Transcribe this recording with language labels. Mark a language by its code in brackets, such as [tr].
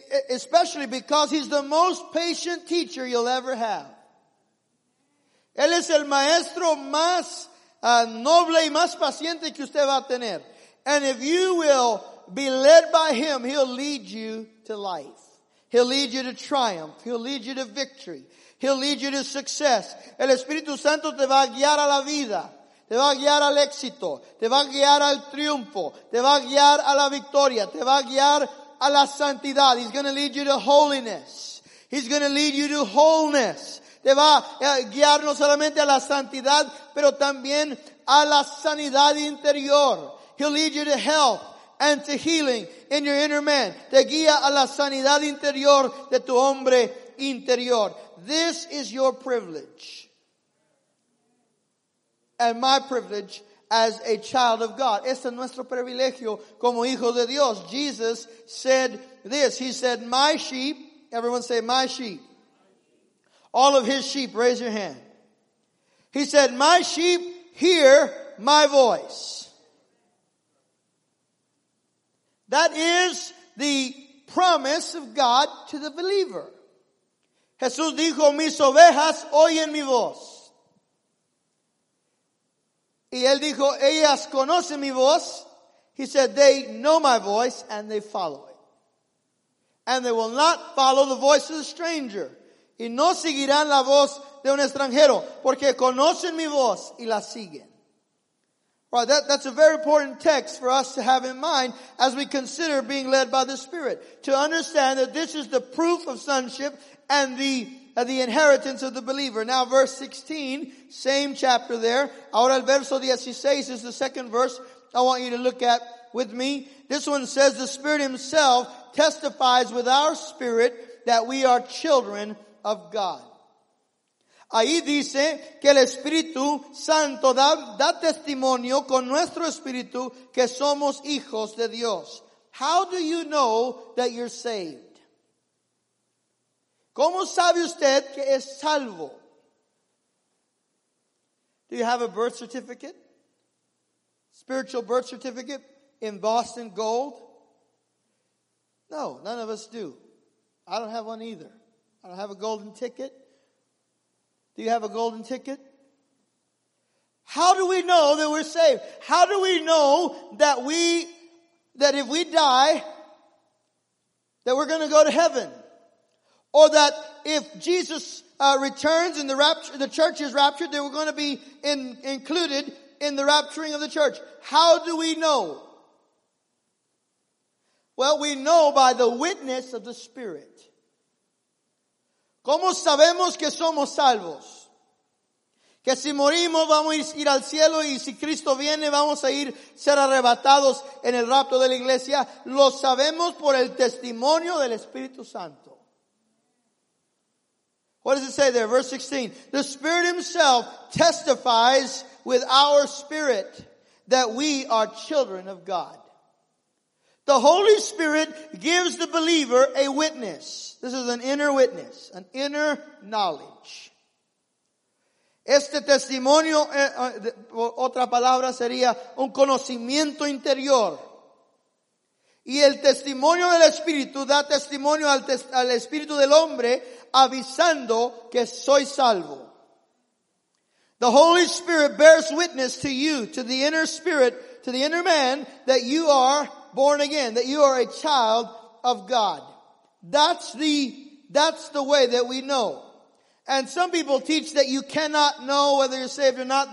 [en] Especially because he's the most patient teacher you'll ever have. [es] Él es el maestro más noble y más paciente que usted va a tener. [en] And if you will be led by him, he'll lead you to life. He'll lead you to triumph. He'll lead you to victory. He'll lead you to success. [es] El Espíritu Santo te va a guiar a la vida. Te va a guiar al éxito. Te va a guiar al triunfo. Te va a guiar a la victoria. Te va a guiar a la santidad. [en] He's going to lead you to holiness. He's going to lead you to wholeness. [es] Te va a guiar no solamente a la santidad, pero también a la sanidad interior. [en] He'll lead you to health. And to healing in your inner man. [es] Te guía a la sanidad interior de tu hombre interior. [en] This is your privilege. And my privilege as a child of God. [es] Este es nuestro privilegio como hijo de Dios. [en] Jesus said this. He said, my sheep. Everyone say, my sheep. All of his sheep. Raise your hand. He said, my sheep hear my voice. That is the promise of God to the believer. [es] Jesús dijo, mis ovejas oyen mi voz. Y él dijo, ellas conocen mi voz. [en] He said, they know my voice and they follow it. And they will not follow the voice of the stranger. [es] Y no seguirán la voz de un extranjero, porque conocen mi voz y la siguen. [en] Right, that's a very important text for us to have in mind as we consider being led by the Spirit. To understand that this is the proof of sonship and the inheritance of the believer. Now verse 16, same chapter there. [es] Ahora el verso 16 [en] is the second verse I want you to look at with me. This one says, the Spirit himself testifies with our spirit that we are children of God. [es] Ahí dice que el Espíritu Santo da testimonio con nuestro espíritu que somos hijos de Dios. [en] How do you know that you're saved? [es] ¿Cómo sabe usted que es salvo? [en] Do you have a birth certificate? Spiritual birth certificate embossed in gold? No, none of us do. I don't have one either. I don't have a golden ticket. Do you have a golden ticket? How do we know that we're saved? How do we know that if we die, that we're going to go to heaven? Or that if Jesus returns and the church is raptured, that we're going to be included in the rapturing of the church? How do we know? Well, we know by the witness of the Spirit. [es] ¿Cómo sabemos que somos salvos? Que si morimos vamos a ir al cielo y si Cristo viene vamos a ir ser arrebatados en el rapto de la iglesia. Lo sabemos por el testimonio del Espíritu Santo. [en] What does it say there? Verse 16. The Spirit himself testifies with our spirit that we are children of God. The Holy Spirit gives the believer a witness. This is an inner witness, an inner knowledge. [es] Este testimonio, otra palabra sería un conocimiento interior. Y el testimonio del Espíritu da testimonio al Espíritu del hombre avisando que soy salvo. [en] The Holy Spirit bears witness to you, to the inner spirit, to the inner man, that you are born again, that you are a child of God. That's the way that we know. And some people teach that you cannot know whether you're saved or not.